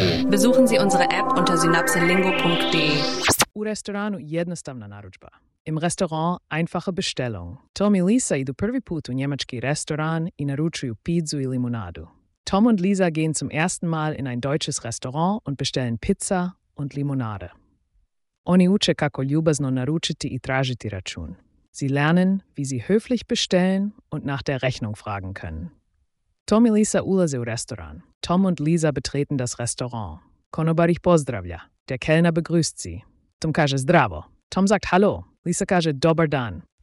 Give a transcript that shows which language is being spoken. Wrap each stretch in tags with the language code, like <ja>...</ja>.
<de>Besuchen Sie unsere App unter synapselingo.de.</de> <hr>U restoranu jednostavna narudžba.</hr> <de>Im Restaurant einfache Bestellung.</de> <hr>Tom und Lisa idu prvi put u njemački restoran i naručuju pizzu i limonadu.</hr> <de>Tom und Lisa gehen zum ersten Mal in ein deutsches Restaurant und bestellen Pizza und Limonade.</de> <hr>Oni uče kako ljubazno naručiti i tražiti račun.</hr> <de>Sie lernen, wie sie höflich bestellen und nach der Rechnung fragen können.</de> <hr>Tom und Lisa ulaze u restoran.</hr> <de>Tom und Lisa betreten das Restaurant.</de> <hr>Konobar ich pozdravlja.</hr> <de>Der Kellner begrüßt sie.</de> <hr>Tom kaže zdravo.</hr> <de>Tom sagt hallo.</de> <hr>Lisa kaže dobar dan.</hr>